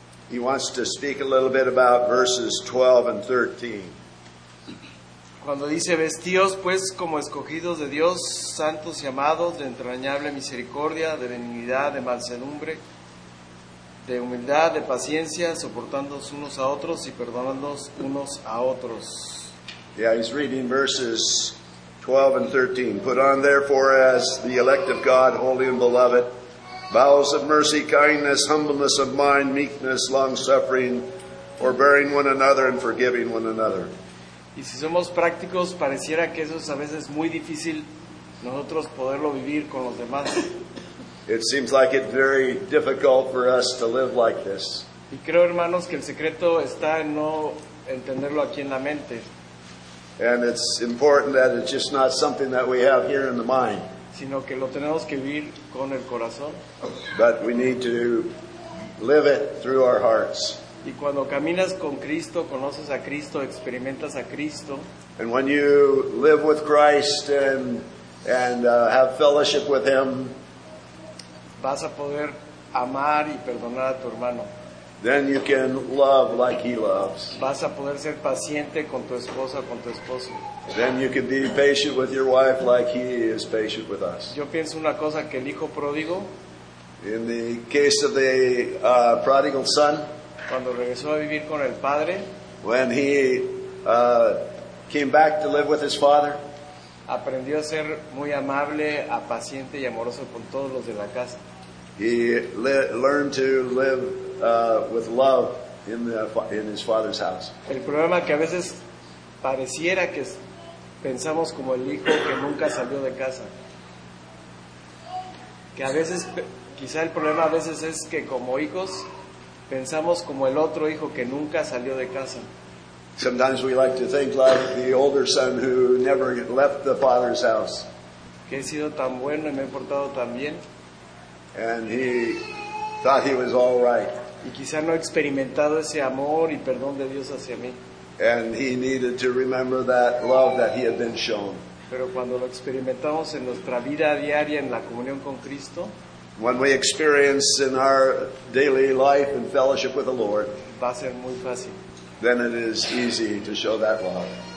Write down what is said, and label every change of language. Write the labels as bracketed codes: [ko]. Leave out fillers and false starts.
[en] He wants to speak a little bit about verses 12 and 13. [es] Cuando dice, vestíos pues como escogidos de Dios, santos y amados, de entrañable misericordia, de benignidad, de mansedumbre, de humildad, de paciencia, soportándoos unos a otros y perdonándoos unos a otros. [en] Yeah, he's reading verses 12 and 13. Put on, therefore, as the elect of God, holy and beloved, vows of mercy, kindness, humbleness of mind, meekness, long-suffering, forbearing one another and forgiving one another. [es] Y si somos prácticos, pareciera que eso es a veces muy difícil nosotros poderlo vivir con los demás. [en] It seems like it's very difficult for us to live like this. [es] Y creo, hermanos, que el secreto está en no entenderlo aquí en la mente. [en] And it's important that it's just not something that we have here in the mind. [es] Sino que lo tenemos que vivir con el corazón. [en] But we need to live it through our hearts. [es] Y cuando caminas con Cristo, conoces a Cristo, experimentas a Cristo. [en] And when you live with Christ and have fellowship with Him, [es] vas a poder amar y perdonar a tu hermano. [en] Then you can love like he loves. [es] Vas a poder ser paciente con tu esposa, con tu esposo. [en] Then you can be patient with your wife like he is patient with us. [es] Yo pienso una cosa, que el hijo pródigo, [en] in the case of the prodigal son, [es] cuando regresó a vivir con el padre, [en] when he came back to live with his father, [es] aprendió a ser muy amable, paciente y amoroso con todos los de la casa. [en] He learned to live with love in his father's house. [es] El problema que a veces pareciera que pensamos como el hijo que nunca salió de casa. Que a veces, quizá el problema a veces es que como hijos pensamos como el otro hijo que nunca salió de casa. [en] Sometimes we like to think like the older son who never left the father's house. [es] Que he sido tan bueno y me he portado tan bien. [en] And he thought he was all right. [es] Y quizá no he experimentado ese amor y perdón de Dios hacia mí. [en] And he needed to remember that love that he had been shown. [es] Pero cuando lo experimentamos en nuestra vida diaria, en la comunión con Cristo, [en] when we experience in our daily life and fellowship with the Lord, [es] va a ser muy fácil. [en] Then it is easy to show that love.